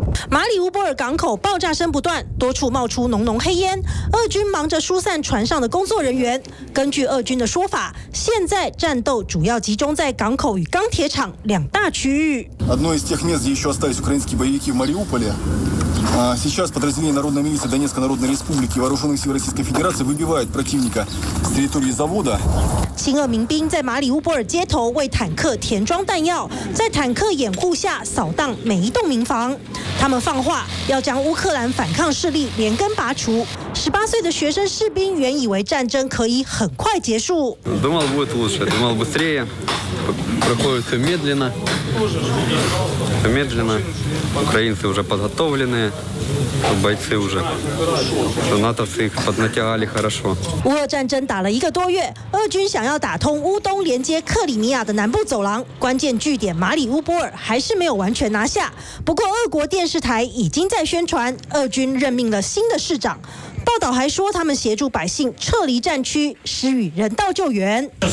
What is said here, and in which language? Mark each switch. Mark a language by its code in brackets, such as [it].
[zh] 马里乌波尔港口爆炸声不断，多处冒出浓浓黑烟，俄军忙着疏散船上的工作人员。根据俄军的说法，现在战斗主要集中在港口与钢铁厂两大区域。 [ru] Одно из тех мест, где еще остались украинские боевики в Мариуполе, сейчас подразделение Народной милиции Донецкой Народной Республики Вооруженных сил Российской Федерации выбивает противника с территории завода. [zh] 亲俄民兵在马里乌波尔街头为坦克填装弹药，在坦克掩护下扫荡每一栋民房。他们放话要将乌克兰反抗势力连根拔除。十八岁的学生士兵原以为战争可以很快结束。 [ru] думал будет лучше, думал быстрее, проходит все медленно, все медленно. Украинцы уже подготовленные, бойцы уже, натовцы их поднатягали хорошо. [zh] 乌俄战争打了一个多月，俄军想要打通乌东连接克里米亚的南部走廊，关键据点马里乌波尔还是没有完全拿下。不过俄国电视台已经在宣传，俄军任命了新的市长。报道还说，他们协助百姓撤离战区，施予人道救援。